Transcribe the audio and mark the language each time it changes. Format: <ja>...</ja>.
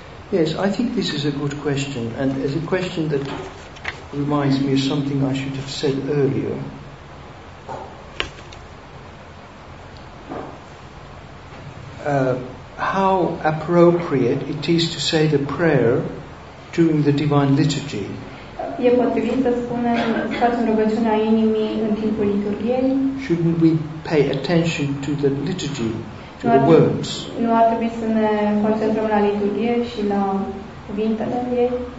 <en>Yes, I think this is a good question, and it's a question that reminds me of something I should have said earlier. How appropriate it is to say the prayer during the Divine Liturgy.</en> <ro>E potrivit să spunem, să facem rugăciunea inimii în timpul liturgiei?</ro> <en>Shouldn't we pay attention to the liturgy, to the words?</en> <ro>Nu ar trebui să ne concentrăm la liturgie și la cuvintele ei?</ro>